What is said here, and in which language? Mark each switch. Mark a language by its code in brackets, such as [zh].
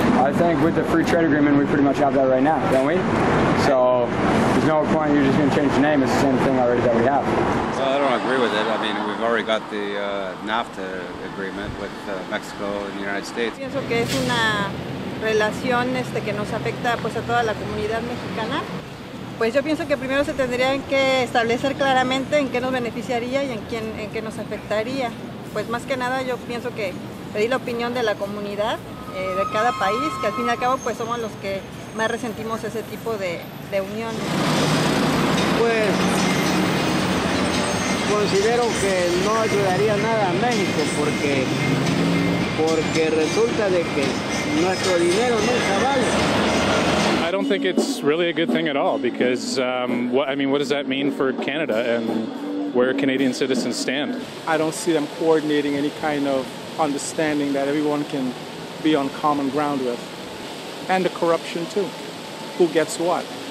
[en] I think with the free trade agreement, we pretty much have that right now, don't we? So there's no point, you're just going to change the name. It's the same thing already that we have. Well, I don't agree with it. I mean, we've already got the NAFTA agreement with Mexico and the United States. [es] Pues yo pienso que primero se tendrían que establecer claramente en qué nos beneficiaría y en qué nos afectaría. Pues más que nada yo pienso que pedir la opinión de la comunidad de cada país, que al fin y al cabo pues somos los que más resentimos ese tipo de uniones. Pues considero que no ayudaría nada a México porque resulta de que nuestro dinero nunca vale. [en] I don't think it's really a good thing at all, because what does that mean for Canada and where Canadian citizens stand? I don't see them coordinating any kind of understanding that everyone can be on common ground with, and the corruption too. Who gets what?